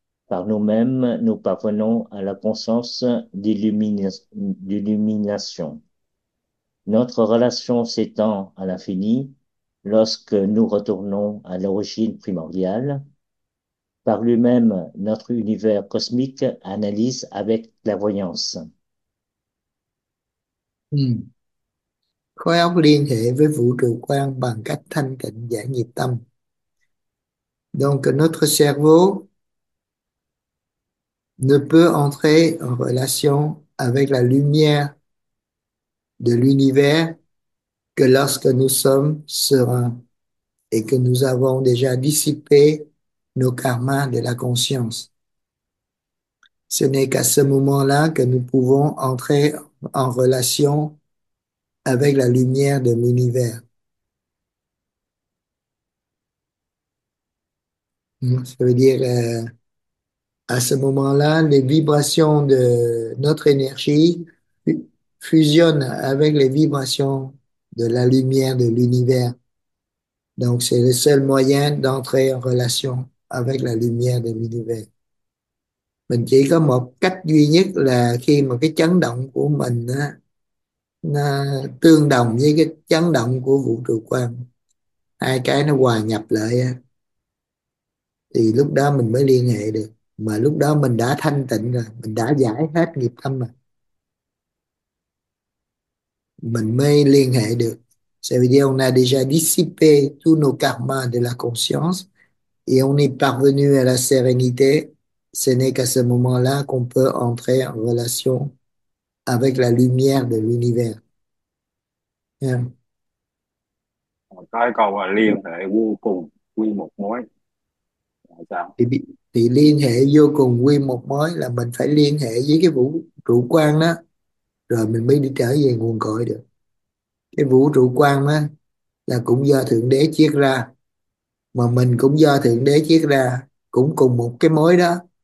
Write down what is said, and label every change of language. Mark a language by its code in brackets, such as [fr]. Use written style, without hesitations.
[fr] Par nous-mêmes, nous parvenons à la conscience d'illumination. Notre relation s'étend à l'infini lorsque nous retournons à l'origine primordiale. Par lui-même, notre univers cosmique analyse avec clairvoyance. [vi] Khối óc liên hệ với vũ trụ quan bằng cách thanh tịnh giải nhiếp tâm. [fr] Donc notre cerveau ne peut entrer en relation avec la lumière de l'univers que lorsque nous sommes sereins et que nous avons déjà dissipé nos karmas de la conscience. Ce n'est qu'à ce moment-là que nous pouvons entrer en relation avec la lumière de l'univers. Ça veut dire, à ce moment-là, les vibrations de notre énergie fusionnent avec les vibrations de la lumière de l'univers. Donc, c'est le seul moyen d'entrer en relation avec la lumière de l'univers. [vi] Mình chỉ có một cách duy nhất là khi mà cái chấn động của mình á, nó tương đồng với cái chấn động của vũ trụ quan, hai cái nó hòa nhập lại á, thì lúc đó mình mới liên hệ được. Mà lúc đó mình đã thanh tịnh rồi, mình đã giải hết nghiệp tâm rồi, mình mới liên hệ được. [fr] Ça veut dire on a déjà dissipé tous nos karmas de la conscience et on est parvenu à la sérénité. Ce n'est qu'à ce moment-là qu'on peut entrer en relation avec la lumière de l'univers. [vi] Cái câu là liên hệ vô cùng quy một mối là sao? Thì liên hệ vô cùng quy một mối là mình phải liên hệ với cái vũ trụ quan đó, rồi mình mới đi trở về nguồn cội được. Cái vũ trụ quan đó là cũng do Thượng Đế chiết ra, mà mình cũng do Thượng Đế chiết ra, cũng cùng một cái mối đó.